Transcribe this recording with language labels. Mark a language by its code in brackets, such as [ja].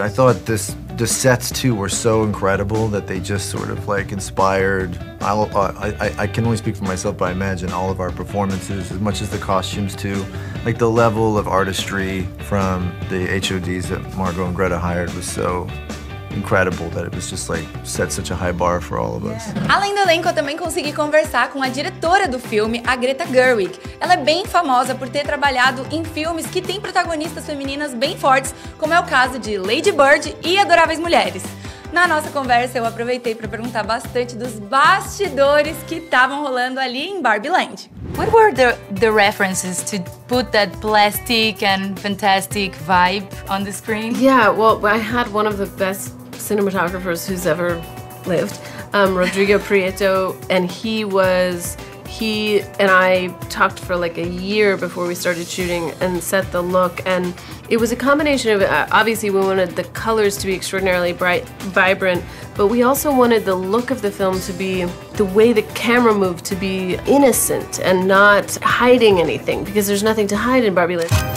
[en] I thought this, the sets too were so incredible that they just sort of like inspired. I can only speak for myself, but I imagine all of our performances, as much as the costumes too. Like the level of artistry from the HODs that Margot and Greta hired was so incredible that it was just like set such a high bar for all of us. [pt] Além do elenco, eu também consegui conversar com a diretora do filme, a Greta Gerwig. Ela é bem famosa por ter trabalhado em filmes que têm protagonistas femininas bem fortes, como é o caso de Lady Bird e Adoráveis Mulheres. Na nossa conversa, eu aproveitei para perguntar bastante dos bastidores que estavam rolando ali em Barbie Land. [en] What were the references to put that plastic and fantastic vibe on the screen? Yeah, well, I had one of the best cinematographers who's ever lived, Rodrigo Prieto, and he and I talked for like a year before we started shooting and set the look, and it was a combination of, obviously we wanted the colors to be extraordinarily bright, vibrant, but we also wanted the look of the film to be, the way the camera moved, to be innocent and not hiding anything, because there's nothing to hide in Barbie Land.